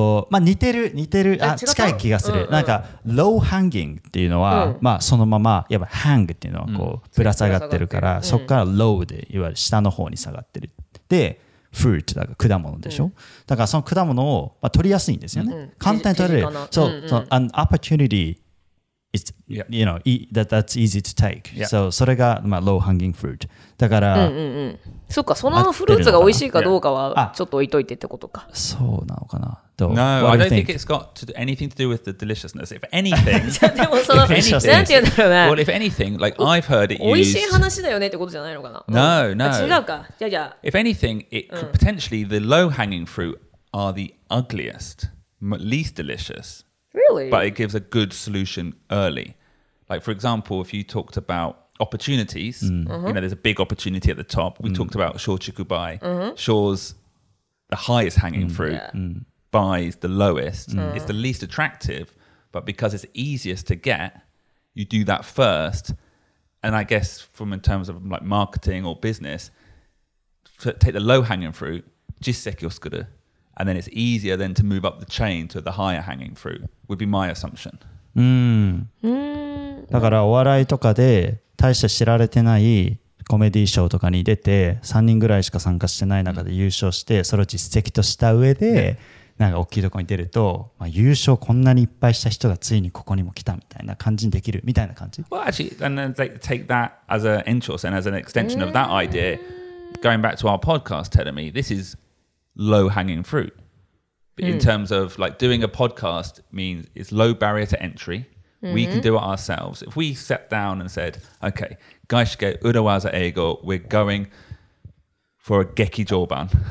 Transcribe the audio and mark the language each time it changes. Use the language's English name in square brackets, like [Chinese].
[Japanese] まあ、似てる、あ、近い気がする。なんか、low hanging っていうのは、まあ、そのまま、やっぱ hang っていうのは、こう、ぶら下がってるから、そこから low で、いわゆる下の方に下がってる。で、fruit、だから果物でしょ、だからその果物を、まあ、取りやすいんですよね。簡単に取れる。そう、 [English] an opportunity is, you know, that's easy to take. [Japanese] So, それが、まあ、low hanging fruit。だから、そっか、そのフルーツが美味しいかどうかはちょっと置いといてってことか。そうなのかな。 [English] No, I don't think it's got to do anything to do with the deliciousness. If anything, if anything, [Japanese] なんて言うんだろうね。 [English] Well, if anything, like I've heard it used. [Japanese] 美味しい話だよねってことじゃないのかな。 [English] No, no. [Japanese] 違うか。じゃあ。 [English] If anything, it could potentially the low-hanging fruit are the ugliest, least delicious. Really? But it gives a good solution early. Like for example, if you talked aboutopportunities, you know, there's a big opportunity at the top. We talked about Shochikubai. Shore's the highest hanging fruit. Bai is the lowest. It's the least attractive, but because it's easiest to get, you do that first. And I guess from in terms of like marketing or business, take the low hanging fruit, [Japanese] jiseki o sukuru, [English] and then it's easier then to move up the chain to the higher hanging fruit, would be my assumption. [Japanese] うん、うーん、だからお笑いとかで大して知られてないコメディーショーとかに出て3人ぐらいしか参加してない中で優勝してそれを実績とした上でなんか大きいとこに出ると、まあ、優勝こんなにいっぱいした人がついにここにも来たみたいな感じにできるみたいな感じ。 [English] Well actually and then they take that as an interest and as an extension of that idea going back to our podcast telling me this is low hanging fruit in terms of like doing a podcast means it's low barrier to entry. We can do it ourselves. If we sat down and said, okay, Gaishike Urawaza Eigo, we're going for a Geki Joban.